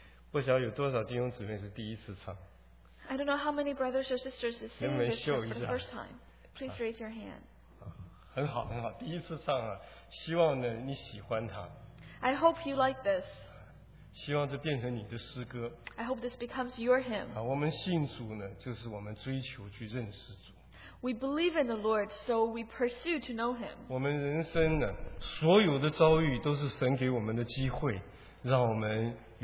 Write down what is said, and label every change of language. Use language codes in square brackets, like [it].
[zh] 不晓得有多少弟兄姊妹是第一次唱。 [en] I don't know how many brothers or sisters is singing this for the first time. Please raise your hand. [zh] 很好，很好，第一次唱啊，希望呢你喜欢它。 [en] I hope you like this. [zh] 希望这变成你的诗歌。 [en] I hope this becomes your hymn. [zh] 啊，我们信主呢，就是我们追求去认识主。 [en] We believe in the Lord, so we pursue to know Him. [zh] 我们人生呢，所有的遭遇都是神给我们的机会，让我们。